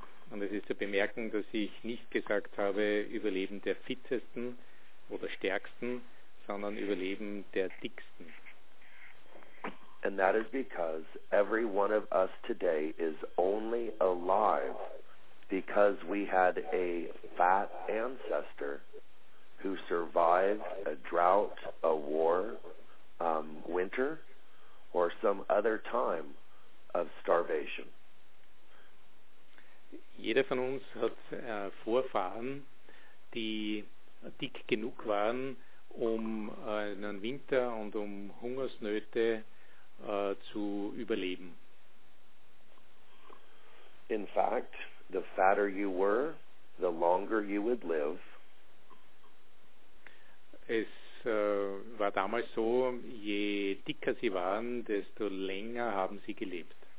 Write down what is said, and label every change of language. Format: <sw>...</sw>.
<de>Und es ist zu bemerken, dass ich nicht gesagt habe, Überleben der Fittesten oder Stärksten, sondern Überleben der Dicksten.</de> <en>And that is because every one of us today is only alive because we had a fat ancestor who survived a drought, a war, winter, or some other time of starvation.</en> <de>Jeder von uns hat Vorfahren, die dick genug waren, um einen Winter und um Hungersnöte zu überleben.</de> <en>In fact, the fatter you were, the longer you would live.</en> <de>Es war damals so, je dicker sie waren, desto länger haben sie gelebt.</de>